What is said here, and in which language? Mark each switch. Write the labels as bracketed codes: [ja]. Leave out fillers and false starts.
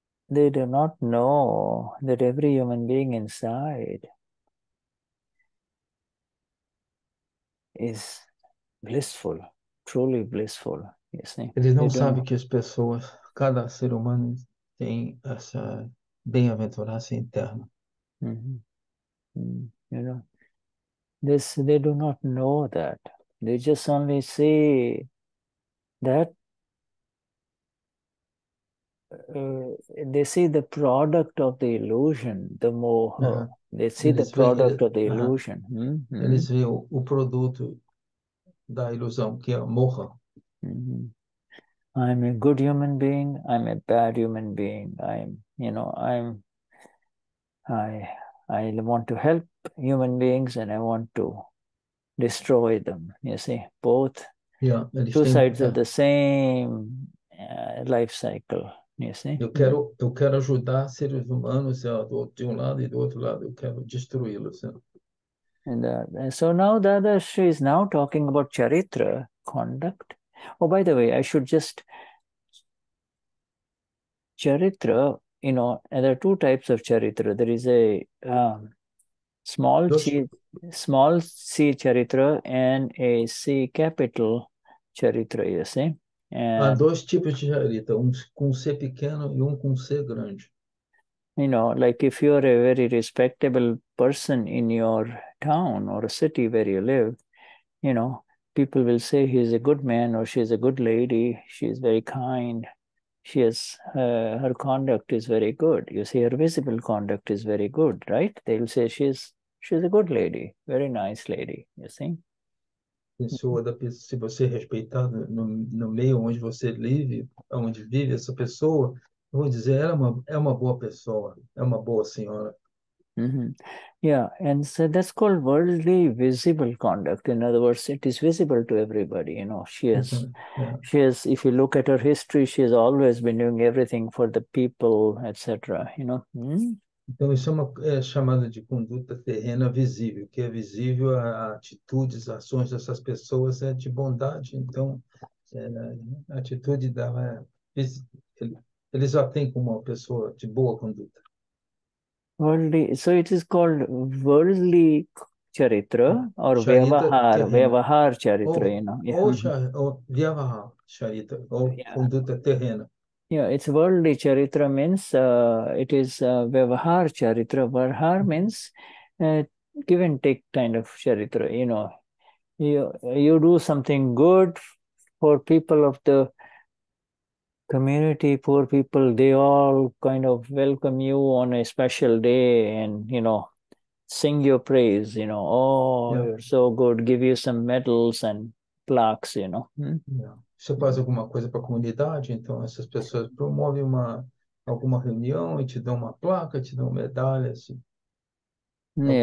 [en] They do not know that every human being inside is blissful, truly blissful. You see, [pt] eles não sabem que as pessoas, cada ser humano tem essa bem-aventurança interna. [en] You know, they do not know that. They just only see that they see the product of the illusion, the moho. They see the product of the illusion. [pt] Eles veem o produto da ilusão, que é a moha. [en] I'm a good human being, I'm a bad human being, I want to help human beings and I want to destroy them, you see, both, two sides of the same life cycle, you see. [pt] Eu quero ajudar seres humanos de um lado e do outro lado, eu quero destruí-los. [en] And so now Dadashri is now talking about charitra, conduct. Oh, by the way, I should just, charitra, you know, and there are two types of charitra. There is a small C charitra and a C capital charitra, you see? And, [pt] há dois tipos de charitra, um com C pequeno e um com C grande. [en] You know, like if you are a very respectable person in your town or a city where you live, you know, people will say he's a good man or she's a good lady, she's very kind, she has, her conduct is very good. You see, her visible conduct is very good, right? They'll say she's a good lady, very nice lady, you see? [pt] Pessoa da, se você respeitar no meio onde você vive, onde vive essa pessoa, eu vou dizer, ela é uma boa pessoa, é uma boa senhora. [en] Yeah, and so that's called worldly visible conduct. In other words, it is visible to everybody. You know, she has, if you look at her history, she has always been doing everything for the people, etc. You know? [pt] Então, isso é uma chamada de conduta terrena visível, que é visível a atitudes, ações dessas pessoas é de bondade. Então, a atitude dela, eles já têm como uma pessoa de boa conduta. [en] Worldly, so it is called worldly charitra or vyavahar, vyavahar charitra, [pt] ou, [en] you know. [pt] Vyavahar charitra, ou conduta terrena. [en] Yeah, it's worldly charitra means it is vyavahar charitra. Vyavahar means give and take kind of charitra, you know. You do something good for people of the community, poor people, they all kind of welcome you on a special day and, you know, sing your praise, you know, you're so good, give you some medals and plaques, you know. [pt] Você faz alguma coisa para a comunidade, então essas pessoas promovem uma alguma reunião e te dão uma placa, te dão medalhas, assim, alguma